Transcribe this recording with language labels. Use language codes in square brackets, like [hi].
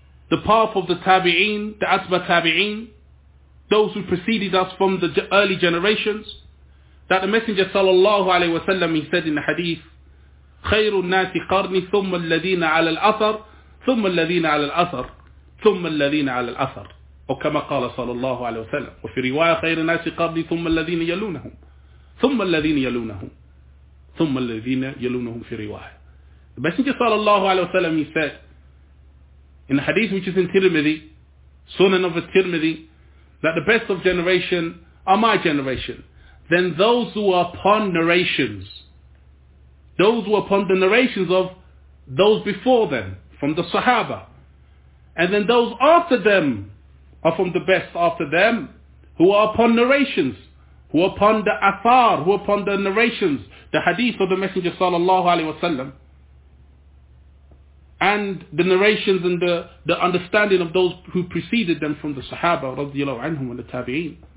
[en] the path of the Tabi'een, the Asba Tabi'een, those who preceded us from the early generations, that the Messenger sallallahu alayhi wa sallam, he said in the hadith, [ar] خير الناس قرني ثم الذين على الأثر [en] ثم الذين على الأثر ثم الذين على الأثر. [ar] Or كما قال صلى الله عليه وسلم وفي رواية خير الناس قرني ثم الذين يلونهم ثم الذين يلونهم ثم الذين يلونهم في رواية. [en] The Messenger صلى الله عليه وسلم, he said in a hadith which is in Tirmidhi, Sunan of Tirmidhi, that the best of generation are my generation, then those who are upon narrations, those who are upon the narrations of those before them from the Sahaba, and then those after them are from the best after them, who are upon narrations, who are upon the athar, who are upon the narrations, the hadith of the Messenger sallallahu alaihi wasallam, and the narrations and the understanding of those who preceded them from the Sahaba radiyallahu anhum and the Tabi'een.